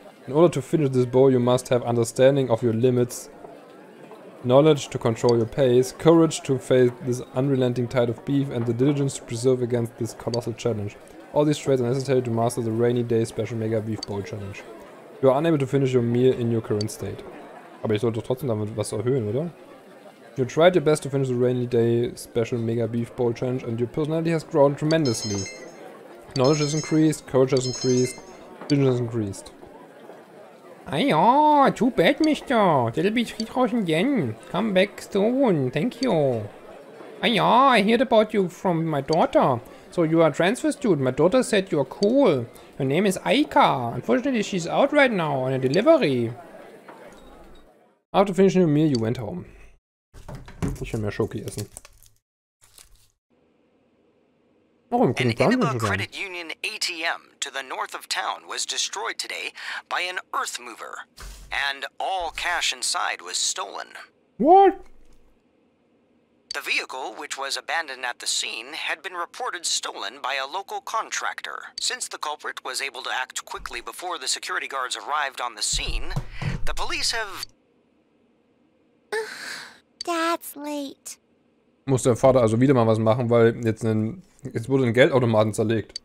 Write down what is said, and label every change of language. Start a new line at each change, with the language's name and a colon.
English: In order to finish this bowl, you must have understanding of your limits, knowledge to control your pace, courage to face this unrelenting tide of beef, and the diligence to preserve against this colossal challenge. All these traits are necessary to master the Rainy Day Special Mega Beef Bowl Challenge. You are unable to finish your meal in your current state.
German: Aber ich sollte trotzdem damit was erhöhen, oder?
English: You tried your best to finish the Rainy Day Special Mega Beef Bowl Challenge, and your personality has grown tremendously. Knowledge has increased, courage has increased, diligence has increased. Ah ja, too bad, Mister. That'll be 3000 yen. Come back soon. Thank you. Ah ja, I heard about you from my daughter. So you are a transfer student. My daughter said you are cool. Her name is Aika. Unfortunately, she's out right now on a delivery. After finishing your meal, you went home.
German: Ich will mehr Schoki essen.
English: Oh, an Inaba Credit Union ATM to the north of town was destroyed today by an earth mover, and all cash inside was stolen. What? The vehicle, which was abandoned at the scene, had been reported stolen by a local contractor. Since the culprit was able to act quickly before the security guards arrived on the scene, the police have... Dad's late.
German: Muss der Vater also wieder mal was machen, weil jetzt wurde ein Geldautomaten zerlegt.